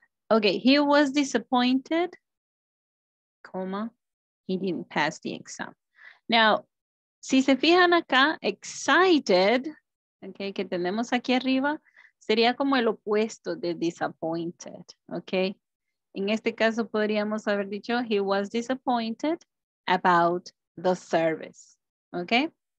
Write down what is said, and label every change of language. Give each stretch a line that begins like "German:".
English: Okay, he was disappointed, comma, he didn't pass the exam.
Spanish: Now, si se fijan acá, excited, okay, que tenemos aquí arriba, sería como el opuesto de disappointed, okay. En este caso podríamos haber dicho,
English: he was disappointed about the service,
Spanish: okay?